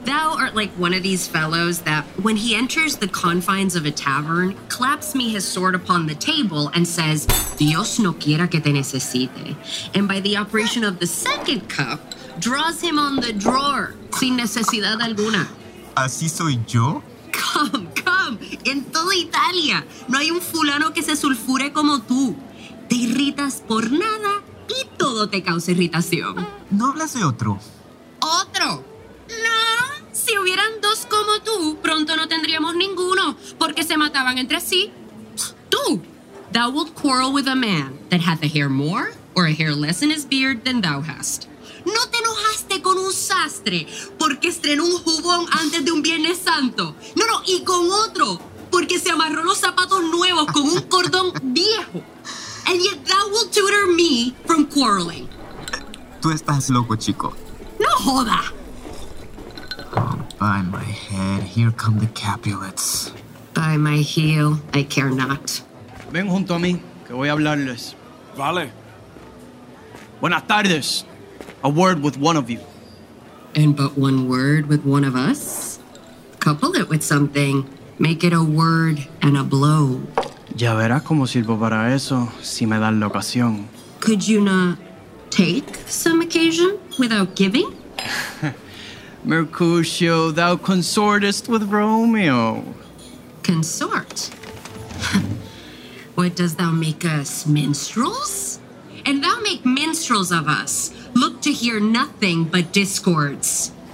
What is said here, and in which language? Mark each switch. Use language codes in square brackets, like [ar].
[en] Thou art like one of these fellows that, when he enters the confines of a tavern, claps me his sword upon the table and says, [es] Dios no quiera que te necesite. [en] And by the operation of the second cup, draws him on the drawer, [es] sin necesidad alguna. ¿Así soy yo? [en] Come, come, [es] en toda Italia, no hay un fulano que se sulfure como tú. Te irritas por nada y todo te causa irritación. ¿No hablas de otro? ¿Otro? No, si hubieran dos como tú, pronto no tendríamos ninguno, porque se mataban entre sí. [en] Tú, thou wilt quarrel with a man that hath a hair more or a hair less in his beard than thou hast. [es] ¿No te enojaste con un sastre porque estrenó un jubón antes de un Viernes Santo? No, no, y con otro porque se amarró los zapatos nuevos con un cordón viejo. [en] And yet thou will tutor me from quarreling. [es] Tú estás loco, chico. No joda. [en] Oh, by my head, here come the Capulets. By my heel, I care not. [es] Ven junto a mí, que voy a hablarles. Vale. Buenas tardes. [en] A word with one of you. And but one word with one of us? Couple it with something. Make it a word and a blow. [es] Ya verás cómo sirvo para eso si me das la ocasión. [en] Could you not take some occasion without giving? Mercutio, thou consortest with Romeo. Consort? What, dost thou make us minstrels? And thou make minstrels of us. Look to hear nothing but discords.